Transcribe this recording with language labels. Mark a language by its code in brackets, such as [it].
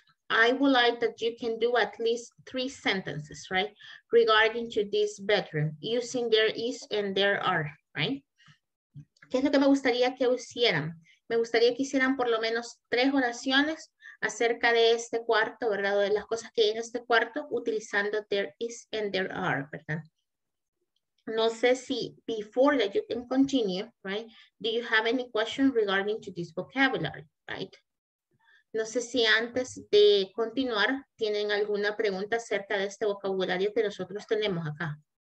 [en] I would like that you can do at least three sentences, right? Regarding to this bedroom, using there is and there are, right? [es] ¿Qué es lo que me gustaría que hicieran? Me gustaría que hicieran por lo menos tres oraciones acerca de este cuarto, ¿verdad? O de las cosas que hay en este cuarto, utilizando there is and there are, ¿verdad? No sé si [en] before that you can continue, right? Do you have any question regarding to this vocabulary, right? [es] No sé si antes de continuar tienen alguna pregunta acerca de este vocabulario que nosotros tenemos acá.